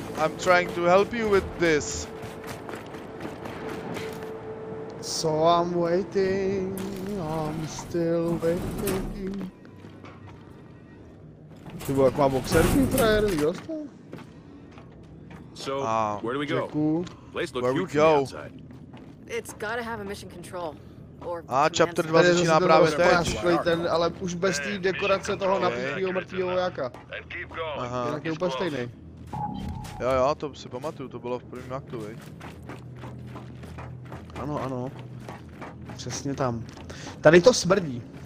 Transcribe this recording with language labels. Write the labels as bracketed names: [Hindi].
[English] I'm trying to help you with this. So I'm waiting, I'm still waiting. [Czech] Ty byl jak má boxerky, frajer, viděl jsi to? [English] So, where do we go? Where we go? It's gotta have a mission control. [Czech] A chapter 2 začíná právě teď. Ale už bez té dekorace toho napíchlýho mrtvýho vojáka. Aha. Jinak je úplně stejný. Jo, to si pamatuju, to bylo v prvním aktu, viď? Ano, ano. Přesně tam. Tady to smrdí.